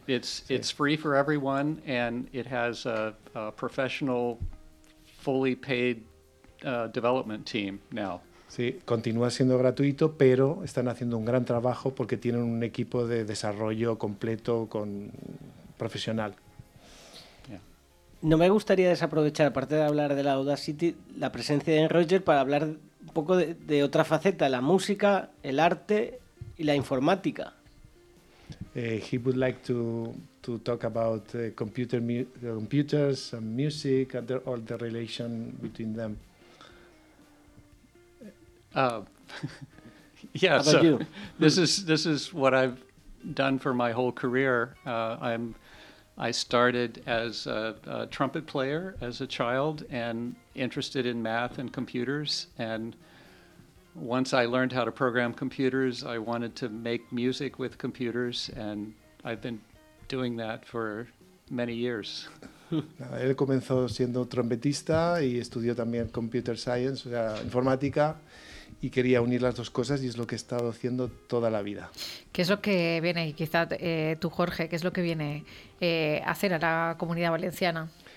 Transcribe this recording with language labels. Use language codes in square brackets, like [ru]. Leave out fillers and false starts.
[en] It's free for everyone, and it has a professional, fully paid development team now. [es] Sí, continúa siendo gratuito, pero están haciendo un gran trabajo porque tienen un equipo de desarrollo completo con profesional. No me gustaría desaprovechar, aparte de hablar de la Audacity, la presencia de Roger para hablar un poco de otra faceta, la música, el arte y la informática. [en] He would like to talk about computers and music and all the relation between them. Yeah, how about so you? This is what I've done for my whole career. I started as a trumpet player as a child and interested in math and computers. And once I learned how to program computers, I wanted to make music with computers. And I've been doing that for many years. [es] Él comenzó siendo trompetista y estudió también computer science, o sea, informática. Y quería unir las dos cosas y es lo que he estado haciendo toda la vida. ¿Qué es lo que viene, quizá tú, Jorge, qué es lo que viene a hacer a la Comunidad Valenciana?